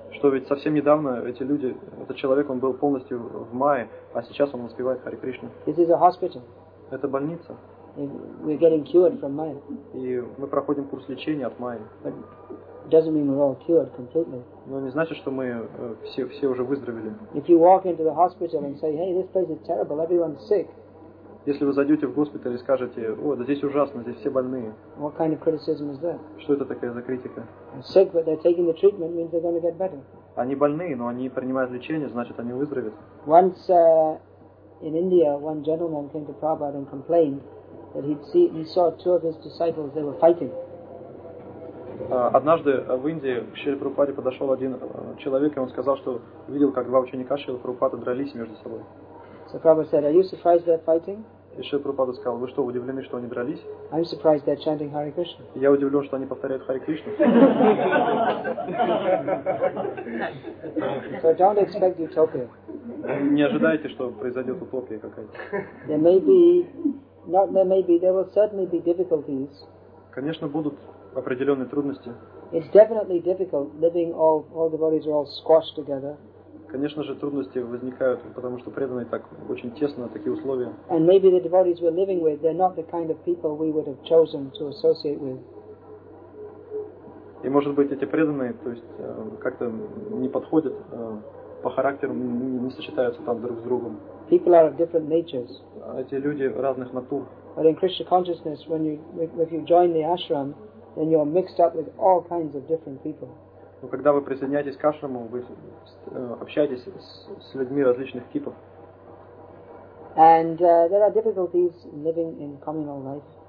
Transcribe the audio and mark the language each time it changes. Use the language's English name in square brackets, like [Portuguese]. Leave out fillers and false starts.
[Russian] Что ведь совсем недавно эти люди, этот человек, он был полностью в Майе, а сейчас он воспевает Hare Krishna. [English] This is a hospital. [Russian] Это больница. [English] And we're getting cured from Maya. [Russian] И мы проходим курс лечения от Майи. [English] But it doesn't mean we're all cured completely. [Russian] Но не значит, что мы все уже выздоровели. [English] If you walk into the hospital and say, hey, this place is terrible, everyone's sick. [Russian] Если вы зайдете в госпиталь и скажете: «О, да здесь ужасно, здесь все больные». [English] What kind of criticism is that? [Russian] Что это такая за критика? [English] Sick, but they're taking the treatment, means they're going to get better. [Russian] Они больные, но они принимают лечение, значит, они выздоровеют. [English] Once in India, one gentleman came to Prabhupada and complained that he saw two of his disciples, they were fighting. [Russian] Однажды в Индии к Шриле Прабхупаде подошел один человек, и он сказал, что видел, как два ученика Шрилы Прабхупады дрались между собой. [English] So Prabhupada said, "Are you surprised they're fighting?" [Russian] И Шрила Прабхупада сказал: "Вы что, удивлены, что они дрались?" [English] I'm surprised they're chanting Hare Krishna. [Russian] Я удивлен, что они повторяют Hare Krishna. [English] So don't expect utopia. [Russian] Не ожидайте, что произойдет утопия какая-то. [English] There will certainly be difficulties. [Russian] Конечно, будут определенные трудности. [English] It's definitely difficult living all the bodies are all squashed together. [Russian] Конечно же, трудности возникают, потому что преданные так очень тесно, такие условия. [English] And maybe the devotees we're living with, they're not the kind of people we would have chosen to associate with. [Russian] И может быть, эти преданные, то есть, как-то не подходят по характеру, не сочетаются там друг с другом. [English] People are of different natures. [Russian] Эти люди разных натур. [English] But in Krishna consciousness, if you join the ashram, then you're mixed up with all kinds of different people. [Russian] Но когда вы присоединяетесь к ашраму, вы общаетесь с людьми различных типов. [English] And there are difficulties living in communal life.